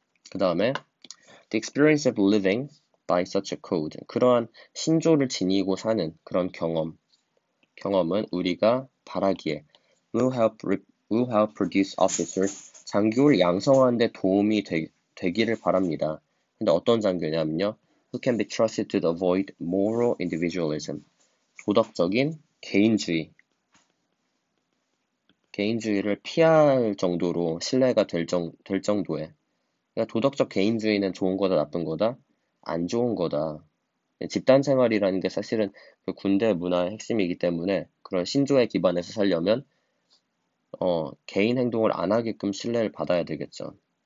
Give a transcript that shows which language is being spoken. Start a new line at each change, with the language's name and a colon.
Korean: 그 다음에
English: the experience of living by such a code.
Korean: 그러한 신조를 지니고 사는 그런 경험은 우리가 바라기에
English: will help produce officers.
Korean: 장교를 양성하는 데 도움이 되기를 바랍니다. 근데 어떤 장교냐면요.
English: Who can be trusted to avoid moral individualism?
Korean: 도덕적인 개인주의. 개인주의를 피할 정도로 신뢰가 될 정도에. 그러니까 도덕적 개인주의는 좋은 거다, 나쁜 거다? 안 좋은 거다. 집단 생활이라는 게 사실은 그 군대 문화의 핵심이기 때문에 그런 신조에 기반해서 살려면, 개인 행동을 안 하게끔 신뢰를 받아야 되겠죠.